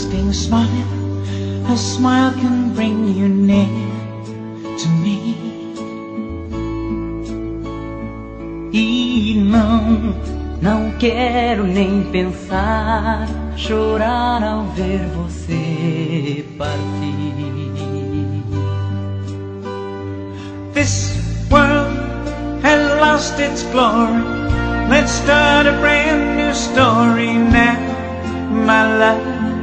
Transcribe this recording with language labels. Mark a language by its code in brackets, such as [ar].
[en] smile, a smile can bring you near to me. [pt] E não quero nem pensar, chorar ao ver você partir. [en] This world has lost its glory. Let's start a brand new story now, my love.